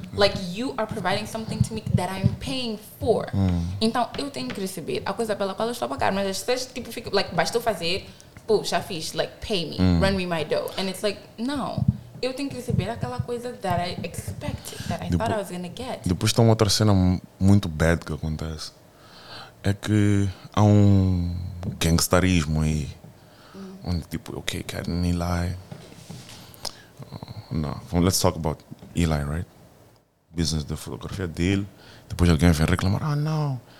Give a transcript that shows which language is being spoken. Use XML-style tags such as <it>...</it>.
<en>Like, you are providing something to me that I'm paying for.</en> <pt>Então, eu tenho que receber a coisa pela qual eu estou a pagar. Mas as pessoas, tipo, ficam, like, basta eu fazer... puxa, fiz,</pt> <en>like, pay me, run me my dough. And it's like, no.</en> <pt>Eu tenho que receber aquela coisa</pt> <en>that I expected, that I thought I was going to get.</en> <pt>Depois tem uma outra cena muito bad que acontece. É que há um gangsterismo aí. Onde tipo, ok, cara, Eli. Não,</pt> <en>let's talk about Eli, right?</en> <pt>Business da fotografia dele. Depois alguém vem reclamar, ah, não.</pt>